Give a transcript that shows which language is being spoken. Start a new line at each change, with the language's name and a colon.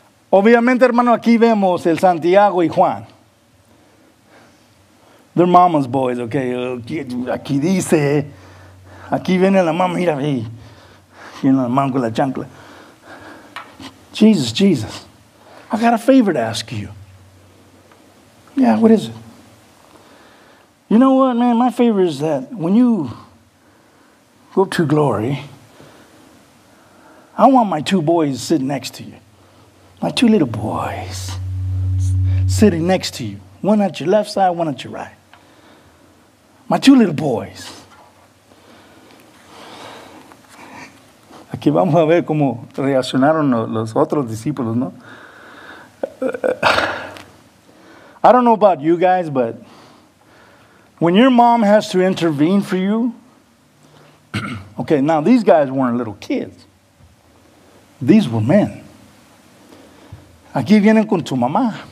Spanish: Obviamente, hermano, aquí vemos el Santiago y Juan.
English: They're mama's boys, ok.
Spanish: Aquí dice, aquí viene la mamá, mira, ahí viene la mamá con la chancla.
English: Jesus, Jesus, I got a favor to ask you. Yeah, what is it? You know what, man, my favor is that when you go to glory, I want my two boys sitting next to you. My two little boys sitting next to you. One at your left side, one at your right. My two little boys.
Spanish: Aquí vamos a ver cómo reaccionaron los otros discípulos, ¿no?
English: I don't know about you guys, but when your mom has to intervene for you, okay, now these guys weren't little kids. These were men.
Spanish: Aquí vienen con tu mamá.